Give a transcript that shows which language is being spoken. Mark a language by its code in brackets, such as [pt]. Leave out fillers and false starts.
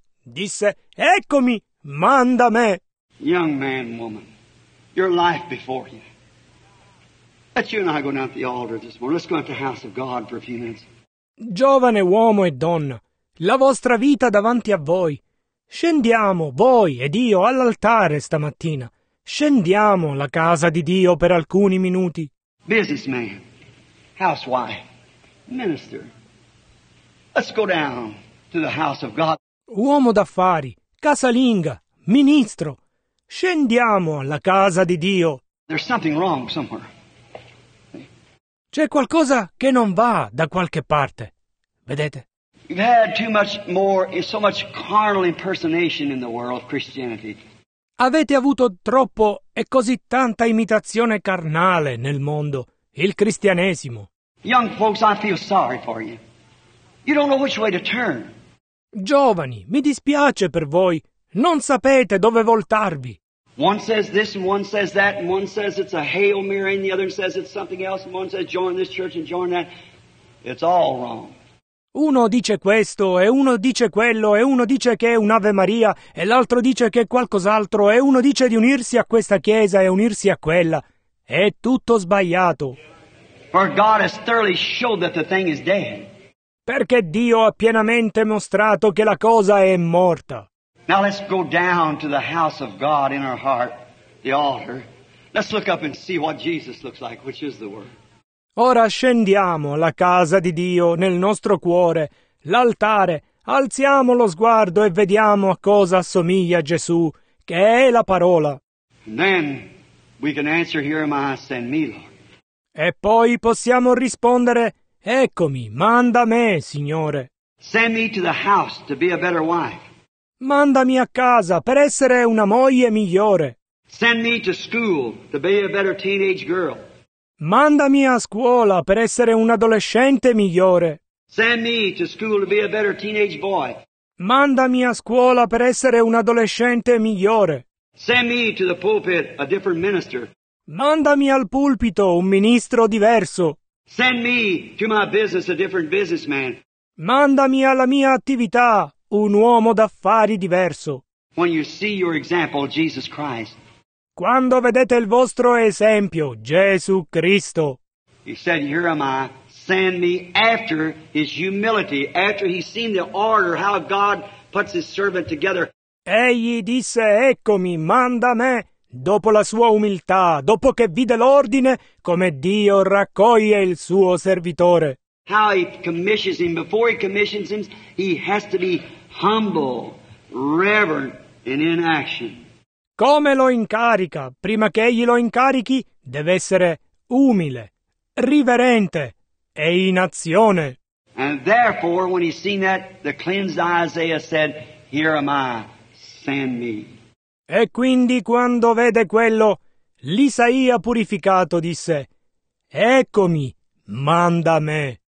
[it] Disse, eccomi, manda me. [en] Young man, woman, your life before you. Let you and I go down to the altar this morning. Let's go to the house of God for a few minutes. [it] Giovane uomo e donna, la vostra vita davanti a voi. Scendiamo, voi ed io, all'altare stamattina. Scendiamo la casa di Dio per alcuni minuti. [en] Businessman, housewife, minister, let's go down to the house of God. [it] Uomo d'affari, casalinga, ministro, scendiamo alla casa di Dio. [en] There's something wrong somewhere. [it] C'è qualcosa che non va da qualche parte. Vedete? [en] You've had too much more, so much carnal impersonation in the world of Christianity. [it] Avete avuto troppo e così tanta imitazione carnale nel mondo, il cristianesimo. [en] Young folks, I feel sorry for you. You don't know which way to turn. [it] Giovani, mi dispiace per voi, non sapete dove voltarvi. [en] One says this and one says that and one says it's a Hail Mary and the other says it's something else and one says join this church and join that. It's all wrong. [it] Uno dice questo, e uno dice quello, e uno dice che è un'Ave Maria, e l'altro dice che è qualcos'altro, e uno dice di unirsi a questa chiesa e unirsi a quella. È tutto sbagliato. [en] For God has thoroughly showed that the thing is dead. [it] perché Dio ha pienamente mostrato che la cosa è morta. [en] Now let's go down to the house of God in our heart, the altar. Let's look up and see what Jesus looks like, which is the Word. [it] Ora scendiamo alla casa di Dio nel nostro cuore, l'altare. Alziamo lo sguardo e vediamo a cosa assomiglia Gesù, che è la parola. [en] And then we can answer, here am I, send me, Lord. [it] E poi possiamo rispondere, eccomi, manda me, Signore. [en] Send me to the house to be a better wife. [it] Mandami a casa per essere una moglie migliore. [en] Send me to school to be a better teenage girl. [it] Mandami a scuola per essere un adolescente migliore. [en] Send me to school to be a better teenage boy. [it] Mandami a scuola per essere un adolescente migliore. [en] Send me to the pulpit a different minister. [it] Mandami al pulpito un ministro diverso. [en] Send me to my business a different businessman. [it] Mandami alla mia attività un uomo d'affari diverso. [en] When you see your example, Jesus Christ. [it] Quando vedete il vostro esempio, Gesù Cristo. [en] He said, here am I. Send me after his humility, after he's seen the order, how God puts his servant together. [it] Egli disse, eccomi, manda me, dopo la sua umiltà, dopo che vide l'ordine, come Dio raccoglie il suo servitore. [en] How he commissions him, before he commissions him, he has to be humble, reverent, and in action. [it] Come lo incarica, prima che egli lo incarichi, deve essere umile, riverente. E in azione. [en] And therefore, when he seen that, the cleansed Isaiah said, here am I, send me. [it] E quindi quando vede quello, l'Isaia purificato disse, eccomi, manda me.